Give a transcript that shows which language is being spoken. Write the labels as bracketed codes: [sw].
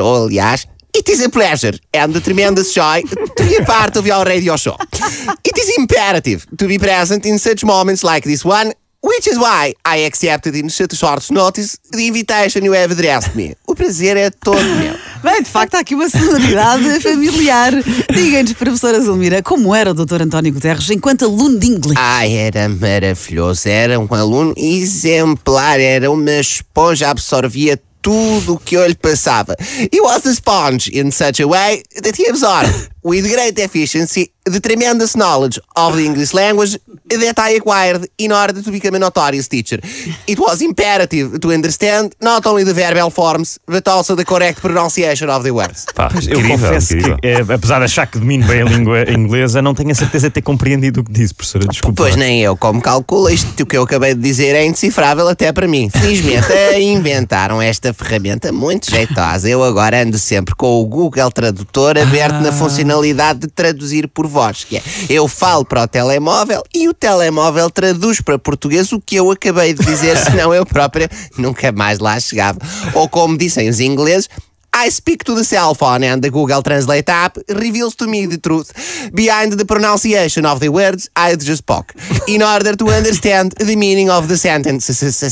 [pt] Aliás, [en] it is a pleasure and a tremendous joy to be a part of your radio show. It is imperative to be present in such moments like this one, which is why I accepted in such a short notice the invitation you have addressed me. [pt] O prazer é todo meu. Bem, de facto, há aqui uma solenidade familiar. Diga-nos, professora Zulmira, como era o doutor António Guterres enquanto aluno de inglês? Ai, era maravilhoso. Era um aluno exemplar. Era uma esponja, absorvia tudo o que eu lhe passava. [en] He was a sponge in such a way that he absorbed, with great efficiency, the tremendous knowledge of the English language that I acquired in order to become a notorious teacher. It was imperative to understand not only the verbal forms, but also the correct pronunciation of the words. [pt] Pá, eu confesso que, apesar de achar que domino bem a língua inglesa, não tenho a certeza de ter compreendido o que disse, professora. Desculpa. Pois nem eu. Como calculo, isto que eu acabei de dizer é indecifrável até para mim. Felizmente, inventaram esta ferramenta muito jeitosa. Eu agora ando sempre com o Google Tradutor aberto na funcionalidade de traduzir por voz, que é, eu falo para o telemóvel e o telemóvel traduz para português o que eu acabei de dizer, senão eu próprio nunca mais lá chegava. Ou como dizem os ingleses, [en] I speak to the cell phone and the Google Translate app reveals to me the truth behind the pronunciation of the words I just spoke in order to understand the meaning of the sentences.